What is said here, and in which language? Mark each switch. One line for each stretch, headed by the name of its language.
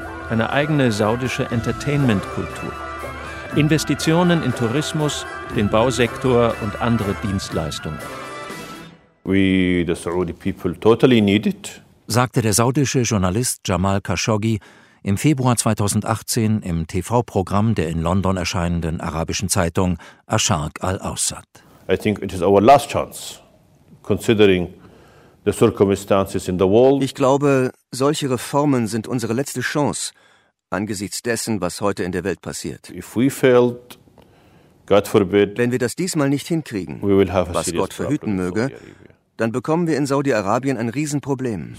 German: Eine eigene saudische Entertainment-Kultur. Investitionen in Tourismus, den Bausektor und andere Dienstleistungen.
English: We, the Saudi people, totally need it,
German: sagte der saudische Journalist Jamal Khashoggi im Februar 2018 im TV-Programm der in London erscheinenden arabischen Zeitung Ashaq al-Awsat.
English: I think it is our last chance, considering the circumstances in the world.
German: Ich glaube, solche Reformen sind unsere letzte Chance angesichts dessen, was heute in der Welt passiert.
English: If we failed, God forbid,
German: wenn wir das diesmal nicht hinkriegen,
English: we will have a
German: was Gott verhüten möge, dann bekommen wir in Saudi-Arabien ein Riesenproblem.